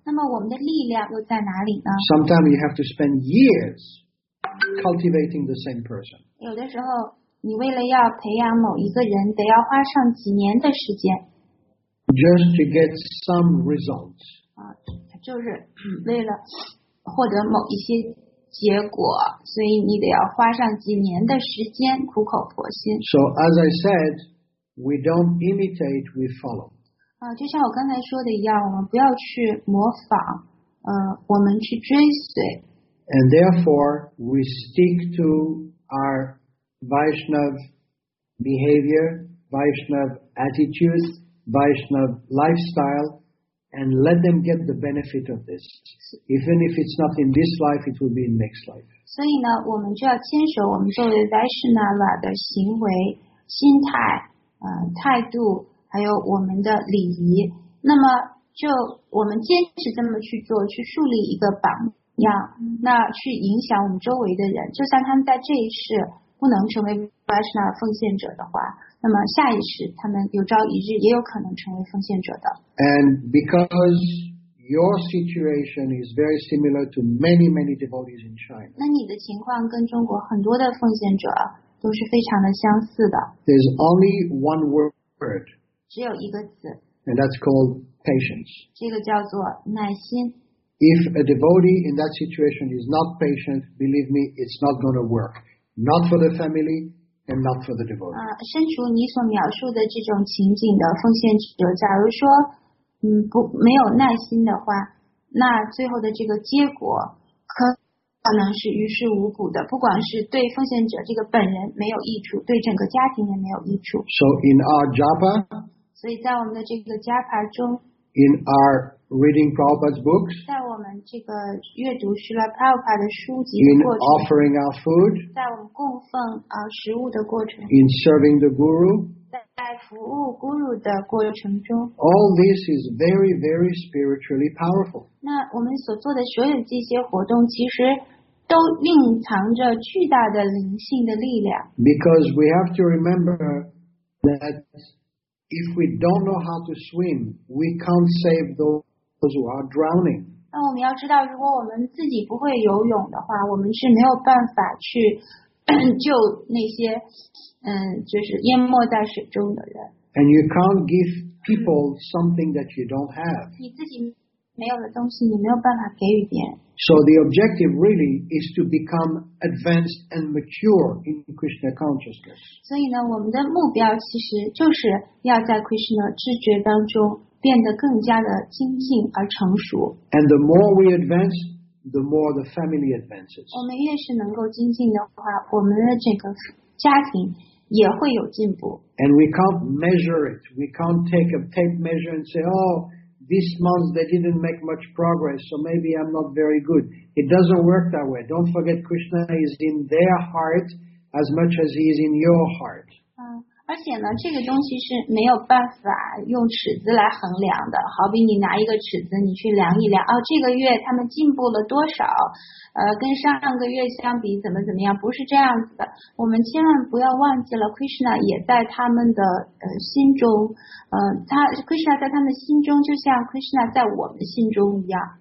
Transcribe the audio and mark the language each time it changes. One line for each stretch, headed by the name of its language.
Chinese: 那么我们的力量又在哪里呢？
English: Sometimes you have to spend years cultivating the same person.
Chinese: 有的时候你为了要培养某一个人得要花上几年的时间。
English: Just to get some results.
Chinese: 就是为了获得某一些结果，所以你得要花上几年的时间苦口婆心。
English: So as I said,We don't imitate, we follow.
Chinese: 就像我刚才说的一样，我们不要去模仿，我们去追随。
English: And therefore, we stick to our Vaishnava behavior, Vaishnava attitude, Vaishnava lifestyle, and let them get the benefit of this. Even if it's not in this life, it will be in next life.
Chinese: 所以呢，我们就要坚守我们作为 Vaishnava 的行为、心态。态度还有我们的礼仪，那么就我们坚持这么去做，去树立一个榜样，那去影响我们周围的人，就算他们在这一世不能成为 Vaishnava 奉献者的话，那么下一世他们有朝一日也有可能成为奉献者的。
English: And because your situation is very similar to many many devotees in China,
Chinese: 那你的情况跟中国很多的奉献者都是非常的相似的。
English: There's only one word.
Chinese: 只有一个词。
English: And that's called patience.
Chinese: 这个叫做耐心。
English: If a devotee in that situation is not patient, believe me, it's not going to work. Not for the family and not for the devotee.
Chinese: 身处你所描述的这种情景的奉献者，假如说没有耐心的话，那最后的这个结果可他们是于事无补的，不管是对奉献者这个本人没有益处，对整个家庭也没有益处。
English: So in our japa,
Chinese: 所以在我们的这个 japa 中，
English: in our reading Prabhupada's books,
Chinese: 在我们这个阅读 Srila Prabhupada 的书籍的过程，
English: in offering our food,
Chinese: 在我们供奉食物的过程，
English: in serving the guru,
Chinese: 在服务 guru 的过程中，
English: all this is very, very spiritually powerful.
Chinese: 那我们所做的所有这些活动其实都蕴藏着巨大的灵性的力量。
English: Because we have to remember that if we don't know how to swim, we can't save those who are drowning.
Chinese: 那我们要知道，如果我们自己不会游泳的话，我们是没有办法去救那些就是淹没在水中的人。
English: And you can't give people something that you don't have.
Chinese: 你自己没有的东西你没有办法给予别人。
English: So the objective really is to become advanced and mature in Krishna consciousness.
Chinese: 所以呢，我们的目标其实就是要在 Krishna 知觉当中变得更加的精进而成熟。
English: And the more we advance,the more the family advances.
Chinese: 我们越是能够精进的话，我们的整个家庭也会有进步。
English: And we can't measure it. We can't take a tape measure and say, oh, this month they didn't make much progress, so maybe I'm not very good. It doesn't work that way. Don't forget Krishna is in their heart as much as he is in your heart.
Chinese: 而且呢，这个东西是没有办法用尺子来衡量的。好比你拿一个尺子，你去量一量，哦，这个月他们进步了多少？跟上个月相比怎么怎么样？不是这样子的。我们千万不要忘记了 ，Krishna 也在他们的心中，Krishna 在他们心中，就像 Krishna 在我们心中一样。